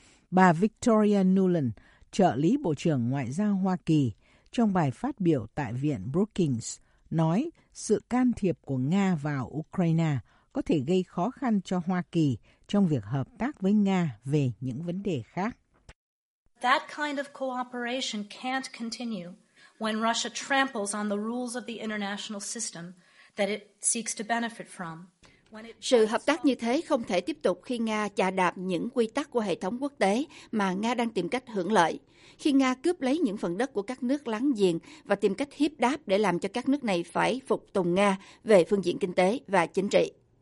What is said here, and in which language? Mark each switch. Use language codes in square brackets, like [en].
[vi] Bà Victoria Nuland, trợ lý Bộ trưởng Ngoại giao Hoa Kỳ, trong bài phát biểu tại Viện Brookings, nói sự can thiệp của Nga vào Ukraine có thể gây khó khăn cho Hoa Kỳ trong việc hợp tác với Nga về những vấn đề khác. [en] That kind of cooperation can't continue when Russia tramples on the rules of the international system that it seeks to benefit from. [vi] Sự hợp tác như thế không thể tiếp tục khi Nga chà đạp những quy tắc của hệ thống quốc tế mà Nga đang tìm cách hưởng lợi. Khi Nga cướp lấy những phần đất của các nước láng giềng và tìm cách hiếp đáp để làm cho các nước này phải phục tùng Nga về phương diện kinh tế và chính trị.